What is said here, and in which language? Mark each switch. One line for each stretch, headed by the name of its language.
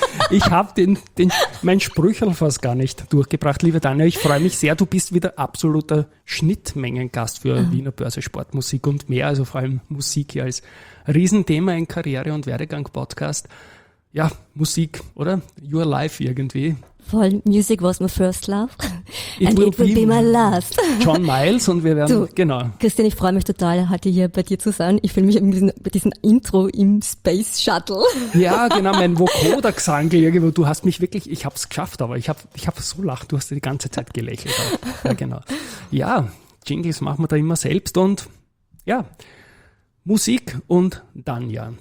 German: Ich hab mein Sprüchel fast gar nicht durchgebracht. Liebe Tanja, ich freue mich sehr. Du bist wieder absoluter Schnittmengengast für Wiener Börse Sportmusik und mehr, also vor allem Musik hier als Riesenthema in Karriere- und Werdegang-Podcast. Ja, Musik, oder? Your life irgendwie.
English: Voll, Music was my first love and it will be my last.
German: John Miles und wir werden, genau. Christian, ich freue mich total, heute hier bei dir zu sein. Ich fühle mich bei diesem Intro im Space Shuttle. Ja, genau, mein Vokoder-Gesang irgendwo. Du hast mich wirklich, ich habe es geschafft, aber ich habe so gelacht, du hast die ganze Zeit gelächelt. Ja, genau. Ja, Jingles machen wir da immer selbst und ja, Musik und Tanja.